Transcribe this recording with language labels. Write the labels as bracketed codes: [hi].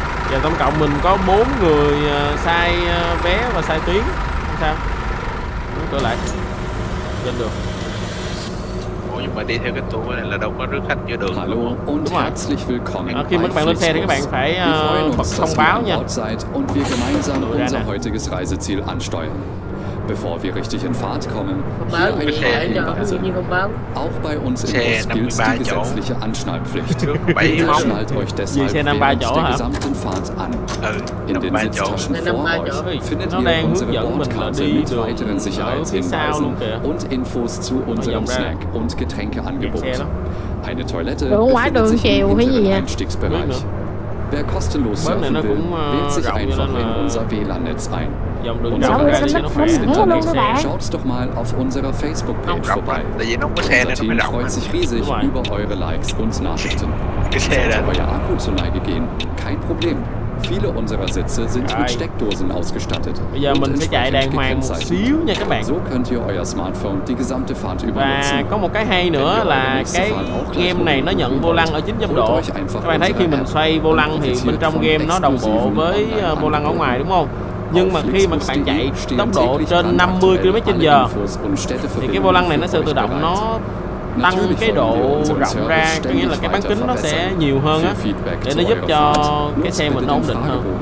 [vi] Giờ tổng cộng mình có 4 người sai vé và sai tuyến. Không sao. Đóng cửa lại. Lên đường. Ủa nhưng mà đi theo cái tour này là đâu có rước khách vô đường [en] hello [vi] đúng không? Đúng rồi. [de] Herzlich willkommen. [vi] Khi mà các bạn lên xe thì các bạn phải thông báo nha. [de] Und wir gemeinsam unser heutiges Reiseziel ansteuern. Bevor wir richtig in Fahrt kommen, hier eine Hinweise. Auch bei uns in Bus gilt die gesetzliche Anschnallpflicht. Bitte schnallt euch deshalb während der gesamten Fahrt an. In den Sitztaschen vor euch findet ihr unsere Bordkarte mit weiteren Sicherheitshinweisen und Infos zu unserem Snack- und Getränkeangebot. Eine Toilette befindet sich im hinteren Einstiegsbereich. Wer kostenlos surfen will, wählt sich einfach in unser WLAN-Netz ein. Unser Team freut sich darüber. Schaut's doch mal auf unserer Facebook-Page vorbei. Unser Team freut sich riesig über eure Likes und Nachrichten. Sollte euer Akku zu Neige gehen, kein Problem. Viele unserer Sitze sind mit Steckdosen ausgestattet und entsprechend gekennzeichnet. So könnt ihr euer Smartphone die gesamte Fahrt übernutzen. [vi] Và có một cái hay nữa là cái game này nó nhận vô lăng ở 900 độ. Các bạn thấy khi mình xoay vô lăng thì bên trong game nó đồng bộ với vô lăng ở ngoài đúng không? Nhưng mà khi mà các bạn chạy tốc độ trên 50 km/h thì cái vô lăng này nó sẽ tự động nó tăng cái độ rộng ra, có nghĩa là cái bán kính nó sẽ nhiều hơn á, để nó giúp cho cái xe mình ổn định hơn.